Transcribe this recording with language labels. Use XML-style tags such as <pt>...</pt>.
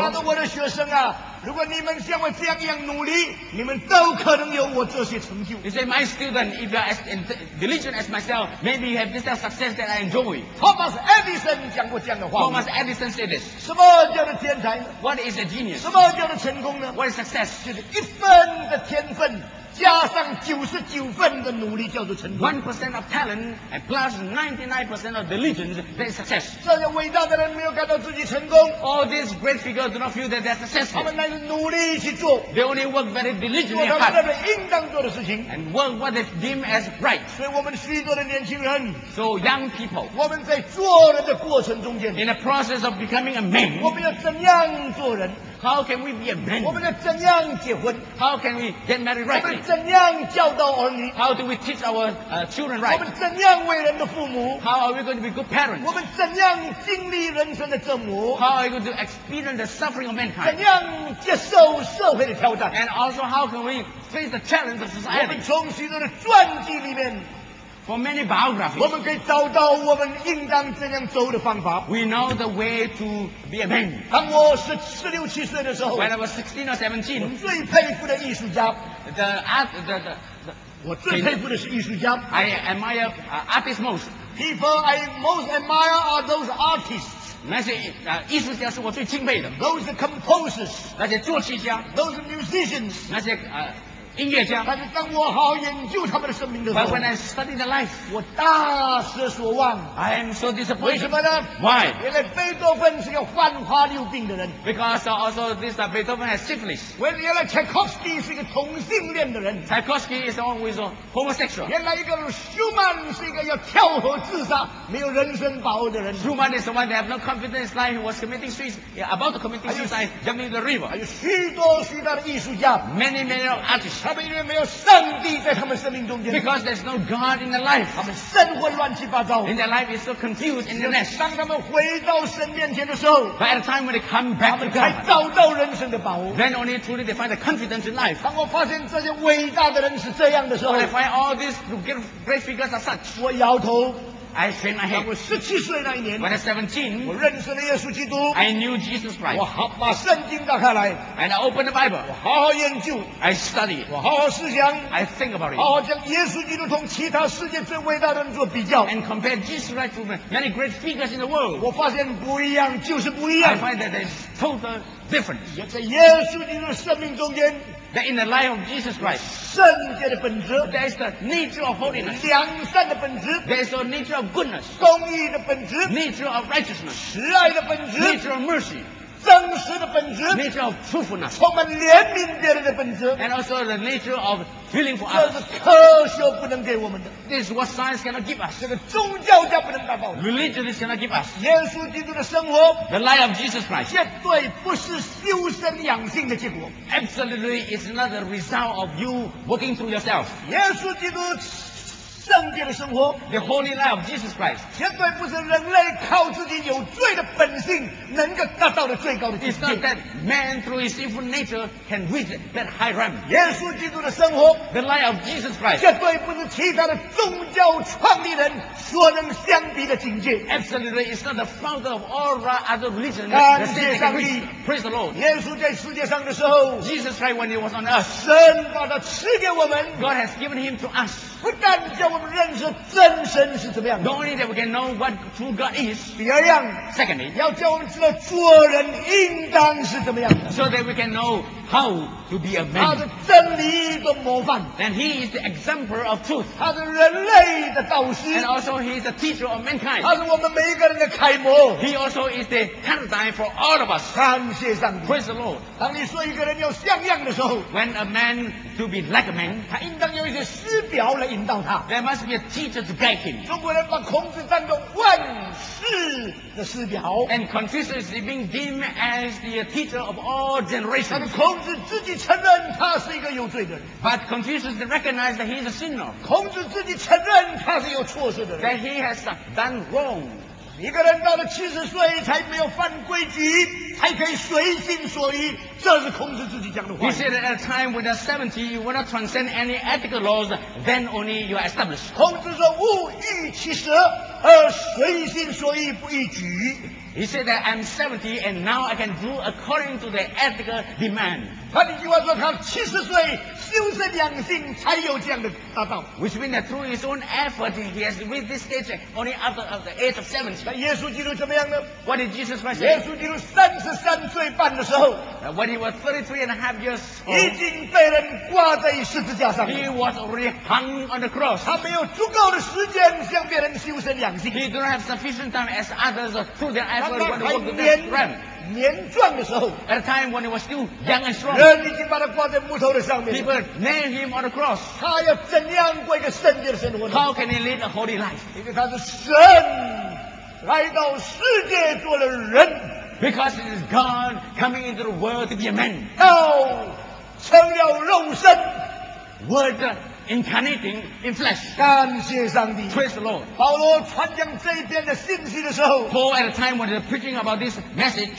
<zh>他说，我的学生啊，如果你们像我这样一样努力，你们都可能有我这些成就。</zh> <en>He said, my student, if you are as diligent as myself, maybe you have this kind of success that I enjoy.</en> <zh>Thomas Edison 讲过这样的话。</zh> <en>Thomas Edison said this.</en> <zh>什么叫做天才呢？</zh> <en>What is a genius?</en> <zh>什么叫做成功呢？</zh> <en>What is success?</en> <zh>就是一分的天分加上99分的努力叫做成功。</zh> <en>1% of talent and plus 99% of diligence, that is success.</en> <zh>这些伟大的人没有感到自己成功。</zh> <en>All these great figures do not feel that they are successful.</en> <zh>他们乃是努力去做。</zh> <en>They only work very diligently hard.</en> <zh>做他们应当做的事情。</zh> <en>And work what they deem as right.</en> <zh>所以我们许多的年轻人。</zh> <en>So young people.</en> <zh>我们在做人的过程中间。</zh> <en>In the process of becoming a man.</en> <zh>我们要怎样做人？</zh> <en>How can we be a man?</en> <zh>我们要怎样结婚？</zh> <en>How can we get married right?</en> <zh>我们怎样教导儿女？</zh> <en>How do we teach our children right?</en> <zh>我们怎样为人的父母？</zh> <en>How are we going to be good parents?</en> <zh>我们怎样经历人生的折磨？</zh> <en>How are we going to experience the suffering of mankind?</en> <zh>怎样接受社会的挑战？</zh> <en>And also how can we face the challenge of society?</en> <zh>我们从许多的传记里面。</zh> <en>For many biographies,</en> <zh>我们可以找到我们应当怎样走的方法。</zh> <en>We know the way to be a man.</en> <zh>当我是十六七岁的时候，</zh> <en>When I was 16 or 17,</en> <zh>我最佩服的艺术家，</zh> <en>the art, the</en> <zh>我最佩服的是艺术家。</zh> <en>I admire artists most. People I most admire are those artists.</en> <zh>那些艺术家是我最敬佩的。</zh> <en>Those composers,</en> <zh>那些作曲家。</zh> <en>Those musicians,</en> <zh>那些音乐家，但是当我好研究他们的生命的时候，</zh> <en>But when I study the life,</en> <zh>我大失所望。</zh> <en>I am so disappointed.</en> <zh>为什么呢？</zh> <en>Why?</en> <zh>原来贝多芬是个患花柳病的人。</zh> <en>Because also this Beethoven has syphilis.</en> <zh>原来Tchaikovsky是个同性恋的人。</zh> <en>Tchaikovsky is one with a homosexual.</en> <zh>原来一个Schumann是一个要跳河自杀、没有人生把握的人。</zh> <en>Schumann is the one that have no confidence in life. He was committing suicide, about to commit suicide, jumping the river.</en> <zh>还有许多许多的艺术家。</zh> <en>Many many artists.</en> <zh>他们因为没有上帝在他们生命中间。</zh> <en>Because there's no God in their life.</en> <zh>他们生活乱七八糟。</zh> <en>In their life is so confused in the mess.</en> <zh>当他们回到神面前的时候，</zh> <en>But at the time when they come back to God,</en> <zh>他们才找到人生的把握。</zh> <en>Then only truly they find the confidence in life.</en> <zh>当我发现这些伟大的人是这样的时候，</zh> <en>When I find all these great figures are such,</en> <zh>我摇头。</zh> <en>I shake my head.</en> <zh>我17岁那一年，</zh> <en>When I was 17,</en> <zh>我认识了耶稣基督。</zh> <en>I knew Jesus Christ.</en> <zh>我好把圣经打开来，</zh> <en>And I opened the Bible.</en> <zh>我好好研究，</zh> <en>I study.</en> <zh>我好好思想，</zh> <en>I think about it.</en> <zh>好好将耶稣基督同其他世界最伟大的人做比较，</zh> <en>And compare Jesus Christ to many great figures in the world.</en> <zh>我发现不一样，就是不一样。</zh> <en>I find that there's total difference.</en> <zh>也在耶稣基督的生命中间。</zh> <en>That in the life of Jesus Christ,</en> <zh>圣洁的本质，</zh> <en>there is the nature of holiness,</en> <zh>良善的本质，</zh> <en>there is the nature of goodness,</en> <zh>公义的本质，</zh> <en>nature of righteousness,</en> <zh>慈爱的本质，</zh> <en>nature of mercy,</en> <zh>真实的本质，</zh> <en>nature of truthfulness,</en> <zh>充满怜悯别人的本质，</zh> <en>and also the nature of feeling for others.</en> <zh>这是科学不能给我们的。</zh> <en>This is what science cannot give us.</en> <zh>这个宗教家不能达到的。</zh> <en>Religion is cannot give us.</en> <zh>耶稣基督的生活，</zh> <en>The life of Jesus Christ.</en> <zh>绝对不是修身养性的结果。</zh> <en>Absolutely, it's not the result of you working through yourself.</en> <zh>耶稣基督圣洁的生活，</zh> <en>The holy life of Jesus Christ.</en> <zh>绝对不是人类靠自己有罪的本性能够达到的最高的境界。</zh> <en>It's not that man through his sinful nature can reach that high realm.</en> <zh>耶稣基督的生活，</zh> <en>The life of Jesus Christ.</en> <zh>绝对不是其他的宗教创立人所能相比的境界。</zh> <en>Absolutely, it's not the founder of all other religions.</en> <zh>感谢上帝。</zh> <en>Praise the Lord.</en> <zh>耶稣在世界上的时候，</zh> <en>Jesus Christ when he was on earth,</en> <zh>神把他赐给我们，</zh> <en>God has given him to us.</en> <zh>不但叫我们认识真神是怎么样的，</zh> <en>Not only that we can know what true God is.</en> <zh>第二样，</zh> <en>Secondly,</en> <zh>要叫我们知道做人应当是怎么样的，</zh> <en>So that we can know how to be a man.</en> <zh>他是真理的模范，</zh> <en>And he is the example of truth.</en> <zh>他是人类的导师，</zh> <en>And also he is the teacher of mankind.</en> <zh>他是我们每一个人的楷模，</zh> <en>He also is the paradigm for all of us.</en> <zh>感谢上帝。</zh> <en>Praise the Lord.</en> <zh>当你说一个人要像样的时候，</zh> <en>When a man to be like a man,</en> <zh>他应当有一些师表来引导他，</zh> <en>There there must be a teacher to guide him.</en> <zh>中国人把孔子当作万世的师表。</zh> <en>And Confucius is being deemed as the teacher of all generations.</en> <zh>但孔子自己承认他是一个有罪的人。</zh> <en>But Confucius recognized that he is a sinner.</en> <zh>孔子自己承认他是有错事的人。</zh> <en>That he has done wrong.</en> <zh>一个人到了七十岁才没有犯规矩，才可以随心所欲，这是孔子自己讲的话。</zh> <en>He said at a time when you're 70, you will not transcend any ethical laws, then only you are established.</en> <zh>孔子说：“勿欲其食，而随心所欲不逾矩。”</zh> <en>He said that I'm 70 and now I can do according to the ethical demand.</en> <zh>他的句话说：“他七十岁修身养性才有这样的大道。”</zh> <en>Which means that through his own effort, he has reached this stage only after the age of 70.</en> <zh>那耶稣基督怎么样呢？</zh> <en>What did Jesus Christ say?</en> <zh>耶稣基督三十三岁半的时候，</zh> <en>when he was 33 and a half years old,</en> <zh>已经被人挂在十字架上了。</zh> <en>He was already hung on the cross.</en> <zh>他没有足够的时间向别人修身养性。</zh> <en>He did not have sufficient time as others through their effort to work the next round.</en> <zh>年壮的时候</zh> <en>at a time when he was still young and strong,</en> <zh>人已经把他挂在木头的上面</zh> <en>people nailed him on the cross,</en> <zh>他要怎样过一个圣洁的生活呢？</zh> <en>How can he lead a holy life?</en> <zh>因为他是神来到世界做了人</zh> <en>because it is God coming into the world to be a man,</en> <zh>要成了肉身</zh> <en>word incarnating in flesh,</en> <zh>感谢上帝</zh> <en>praise the Lord.</en> <zh>保罗传讲这一边的信息的时候</zh> <en>Paul at a time when he was preaching about this message,</en>